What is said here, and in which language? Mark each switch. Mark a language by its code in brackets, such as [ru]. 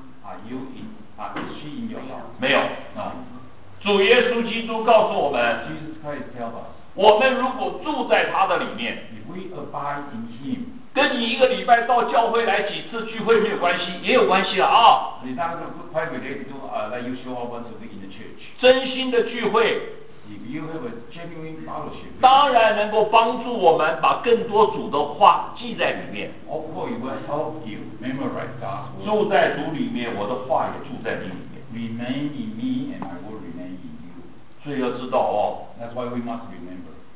[en] Are you in, are she in your heart? [zh] 没有。主耶稣基督告诉我们， [en] Jesus Christ tells us, [zh] 我们如果住在他的里面， [en] If we abide in him, [zh] 跟你一个礼拜到教会来几次聚会没有关系，也有关系了啊。真心的聚会， [en] If you have a genuine fellowship, [zh] 当然能够帮助我们把更多主的话记在里面。 [en] Of course, it will help you memorize God's word. [zh] 住在主里面，我的话也住在你里面。 [en] Remain in me and my word remain in you. [zh] 所以要知道哦。 [en] That's why we must remember.